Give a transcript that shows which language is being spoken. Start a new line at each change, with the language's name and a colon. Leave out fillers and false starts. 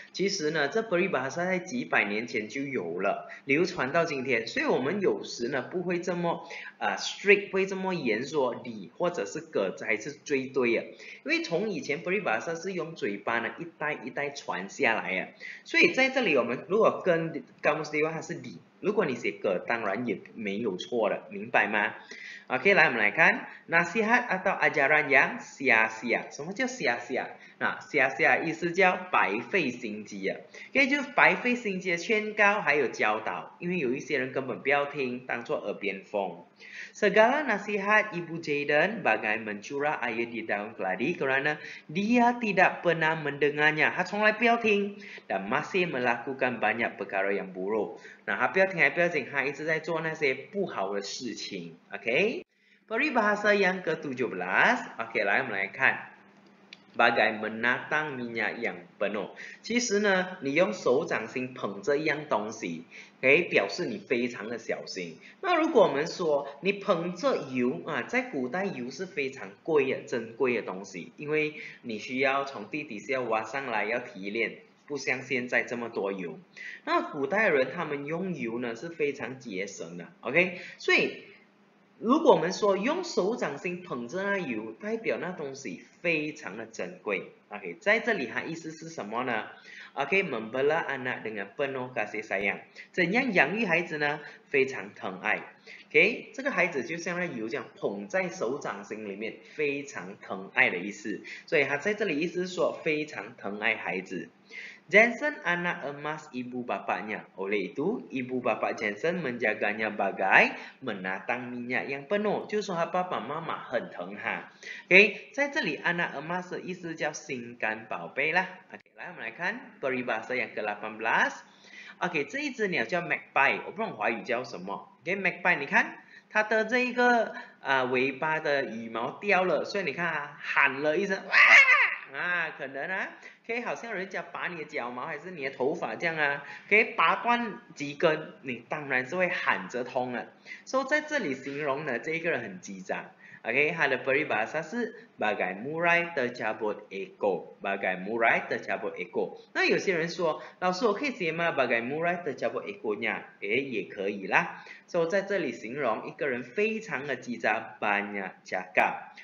Chinese: 其实呢，这 peribahasa 在几百年前就有了，流传到今天，所以我们有时呢不会这么strict， 不会这么严说 di 或者是 ke 才是最对的，因为从以前 peribahasa 是用嘴巴呢一代一代传下来的，所以在这里我们如果跟 Kamus Dewan 它是 di， 如果你写 ke 当然也没有错的，明白吗？
Malay: OK，
Chinese: 来我们来看
Malay: nasihat atau ajaran yang sia-sia。
Chinese: 什么叫 sia-sia？那 sia-sia 意思叫白费心机啊。OK， 就是白费心机的劝告还有教导，因为有一些人根本不要听，当作耳边风。
Malay: Segala nasihat Ibu Jayden bagai mencura air di daun keladi kerana dia tidak pernah mendengarnya. Dia
Chinese: 从来不要听
Malay: dan masih melakukan banyak perkara yang buruk.
Chinese: Nah, 他不要听还不要紧，他一直在做那些不好的事情。
Malay: OK, peribahasa yang ke-17. OK,
Chinese: 来我们来看
Malay: bagai menatang minyak yang penuh.
Chinese: 其实呢，你用手掌心捧着一样东西。可以表示你非常的小心。那如果我们说你捧着油啊，在古代油是非常贵的珍贵的东西，因为你需要从地底下挖上来要提炼，不像现在这么多油。那古代人他们用油呢是非常节省的 ，OK。所以如果我们说用手掌心捧着那油，代表那东西非常的珍贵 ，OK。在这里它意思是什么呢？
Malay: OK, membela anak dengan penuh kasih sayang.
Chinese: 怎样养育孩子呢？非常疼爱。 OK, 这个孩子就像那油这样捧在手掌心里面，非常疼爱的意思。所以他在这里意思是说非常疼爱孩子。
Malay: Jensen anak emas ibu bapaknya. Oleh itu, ibu bapak Jensen menjaganya bagai menatang minyak yang penuh.
Chinese: 就说他爸爸妈妈很疼他. Okay, 在这里 anak emas 的意思叫心肝宝贝啦. Okay, 来我们来看
Malay: peribahasa yang ke-18.
Chinese: Okay, 这一只鸟叫 magpie. 我不懂华语叫什么.Okay, magpie 你看 它的这一个 尾巴的羽毛掉了, 所以你看它喊了一声, 哇! 可能啊, 好像人家把你的脚毛还是你的头发这样啊, 可以拔断几根, 你当然是会喊着痛啊。So 在这里形容呢, 这一个人很急躁, okay, 它的peribahasa是
Malay: bagai murai tercabut ego,
Chinese: bagai murai tercabut ego. 那有些人说, 老师我可以写吗?
Malay: Bagai murai tercabut ego-nya,
Chinese: 也可以啦。 So 在这里形容一个人非常的急躁,
Malay: banyak cakap.